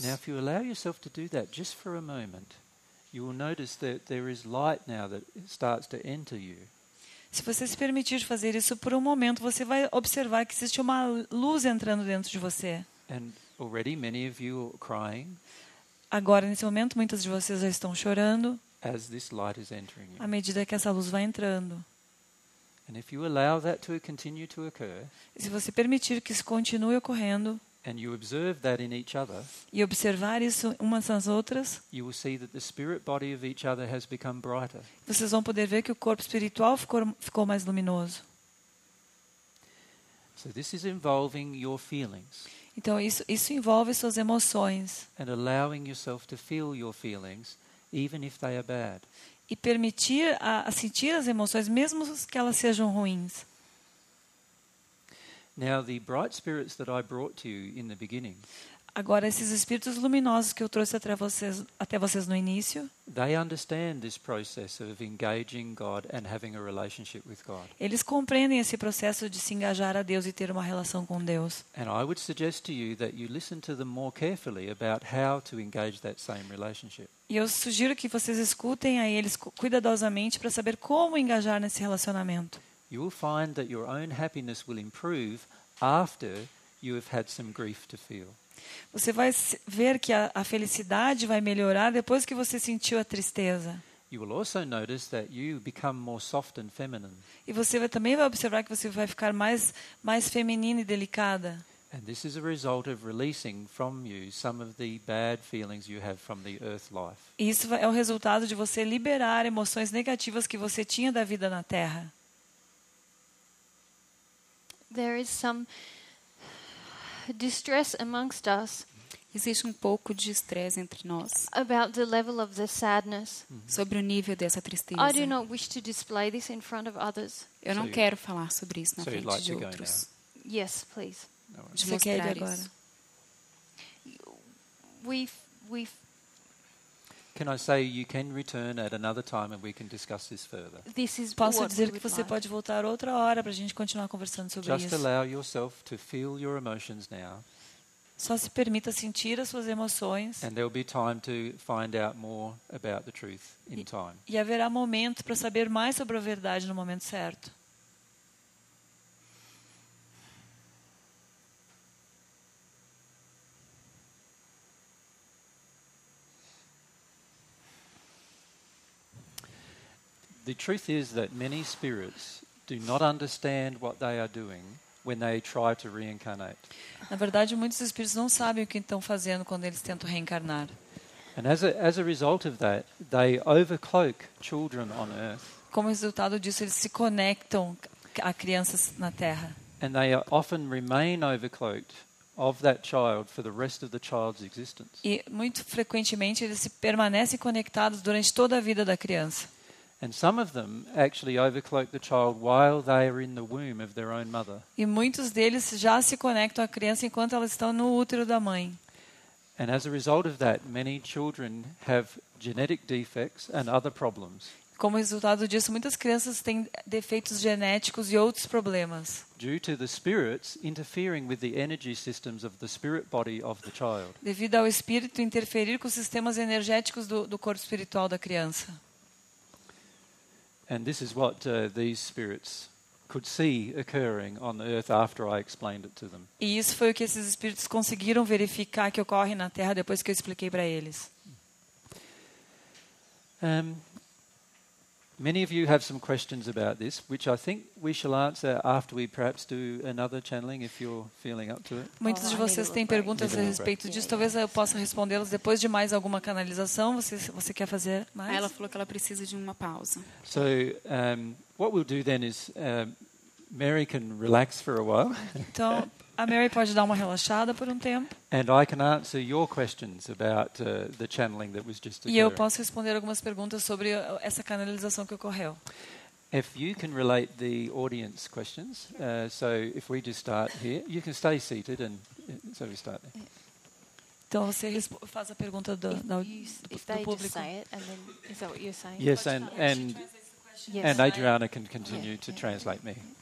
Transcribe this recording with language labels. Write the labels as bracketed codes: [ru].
[en] Now, if you allow yourself to do that just for a moment, you will notice that there is light now that starts to enter you. [pt] Se você se permitir fazer isso por um momento, você vai observar que existe uma luz entrando dentro de você. [en] And already many of you are crying. [pt] Agora, nesse momento, muitas de vocês já estão chorando. [en] As this light is entering you. [pt] À medida que essa luz vai entrando. [en] And if you allow that to continue to occur, [pt] se você permitir que isso continue ocorrendo, [en] and you observe that in each other, [pt] e observar isso umas nas outras, [en] you will see that the spirit body of each other has become brighter. [pt] Vocês vão poder ver que o corpo espiritual ficou mais luminoso. [en] So this is involving your feelings. [pt] Então isso envolve suas emoções. [en] And allowing yourself to feel your feelings, even if they are bad. [pt] E permitir a sentir as emoções, mesmo que elas sejam ruins. [en] Now, the bright spirits that I brought to you in the beginning. [pt] Agora, esses espíritos luminosos que eu trouxe até vocês no início. [en] They understand this process of engaging God and having a relationship with God. [pt] Eles compreendem esse processo de se engajar a Deus e ter uma relação com Deus. [en] And I would suggest to you that you listen to them more carefully about how to engage that same relationship. [pt] E eu sugiro que vocês escutem a eles cuidadosamente para saber como engajar nesse relacionamento. [en] You will find that your own happiness will improve after you have had some grief to feel. [pt] Você vai ver que a felicidade vai melhorar depois que você sentiu a tristeza. [en] You will also notice that you become more soft and feminine. [pt] E você também vai observar que você vai ficar mais feminina e delicada. [en] And this is a result of releasing from you some of the bad feelings you have from the earth life. [pt] Isso é o resultado de você liberar emoções negativas que você tinha da vida na terra. [en] There is some distress amongst us. [pt] Existe pouco de estresse entre nós. [en] About the level of the sadness. [pt] Sobre o nível dessa tristeza. [en] I do not wish to display this in front of others. [pt] Eu não quero falar sobre isso na frente de outros. [en] Yes, please. [pt] De mostrar isso. Agora. [en] Can I say you can return at another time and we can discuss this further? This is [pt] posso dizer que você pode voltar outra hora para a gente continuar conversando sobre [en] just [pt] isso. [en] Just allow yourself to feel your emotions now. [pt] Só se permita sentir as suas emoções. [en] And there will be time to find out more about the truth in time. [pt] E haverá momento para saber mais sobre a verdade no momento certo. [en] The truth is that many spirits do not understand what they are doing when they try to reincarnate. [pt] Na verdade, muitos espíritos não sabem o que estão fazendo quando eles tentam reencarnar. [en] And as a result of that, they overcloak children on earth. [pt] Como resultado disso, eles se conectam a crianças na Terra. [en] And they often remain overcloaked of that child for the rest of the child's existence. [pt] E muito frequentemente eles permanecem conectados durante toda a vida da criança. [en] And some of them actually overcloak the child while they are in the womb of their own mother. [pt] E muitos deles já se conectam à criança enquanto elas estão no útero da mãe. [en] And as a result of that, many children have genetic defects and other problems. [pt] Como resultado disso, muitas crianças têm defeitos genéticos e outros problemas. [en] Due to the spirits interfering with the energy systems of the spirit body of the child. [pt] Devido ao espírito interferir com os sistemas energéticos do corpo espiritual da criança. [en] And this is what these spirits could see occurring on earth after I explained it to them. [pt] E isso foi o que esses espíritos conseguiram verificar que ocorre na Terra depois que eu expliquei para eles. [en] Many of you have some questions about this, which I think we shall answer after we perhaps do another channeling if you're feeling up to it. [pt] Muitos de vocês têm perguntas a respeito disso, talvez eu possa respondê-las depois de mais alguma canalização. Você quer fazer mais? Ela falou que ela precisa de uma pausa. [en] So, what we'll do then is Mary can relax for a while. [pt] Então, a Mary pode dar uma relaxada por tempo. [en] And I can answer your questions about the channeling that was just occurring. [pt] E eu posso responder algumas perguntas sobre essa canalização que ocorreu. [en] If you can relate the audience questions, so if we just start here, you can stay seated and so we start there. [pt] Então você faz a pergunta do público. [en] Say it, and then is that what you're saying? Yes, and Adriana can continue to translate me.